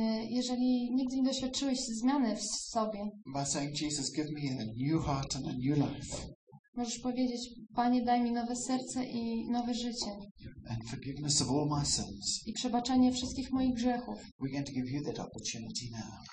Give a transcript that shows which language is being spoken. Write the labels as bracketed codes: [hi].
[pl] Jeżeli nigdy nie doświadczyłeś zmiany w sobie. [en] By saying, Jesus, give me a new heart and a new life. [pl] Możesz powiedzieć, Panie, daj mi nowe serce i nowe życie. [en] And forgiveness of all my sins. [pl] I przebaczenie wszystkich moich grzechów. [en] We're going to give you that opportunity now.